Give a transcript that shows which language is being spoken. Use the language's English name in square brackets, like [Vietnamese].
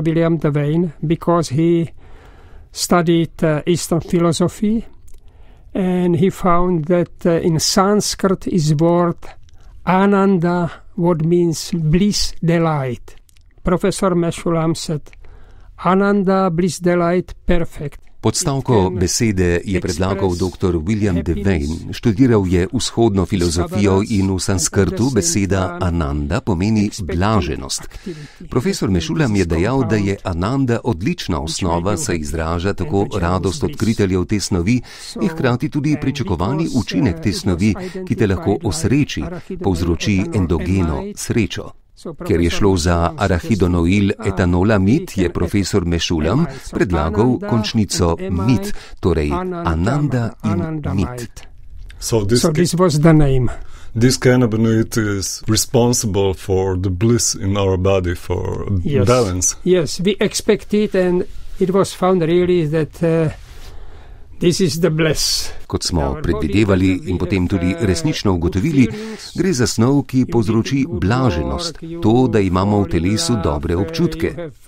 [English] William Devane, because he studied Eastern philosophy, and he found that in Sanskrit is word ananda, what means bliss, delight. Professor Meshulam said, ananda, bliss, delight, perfect. [Slovenian] Podstavko besede je predlagal dr. William Devane. Študiral je vzhodno filozofijo in v sanskrtu beseda ananda pomeni blaženost. Profesor Meshulam je dejal, da je ananda odlična osnova, saj izraža tako radost odkriteljev te snovi in hkrati tudi pričakovani učinek te snovi, ki te lahko osreči, povzroči endogeno srečo. Ker je šlo za arahidonoil etanolamid, je profesor Meshulam predlagal končnico mit, torej ananda in mit. [English] So this was the name. This cannabinoid is responsible for the bliss in our body, for balance. Yes, we expected and it was found really that this is the bliss. [Slovenian] Kot smo predvidevali in potem tudi resnično ugotovili, gre za snov, ki povzroči blaženost, to, da imamo v telesu dobre občutke.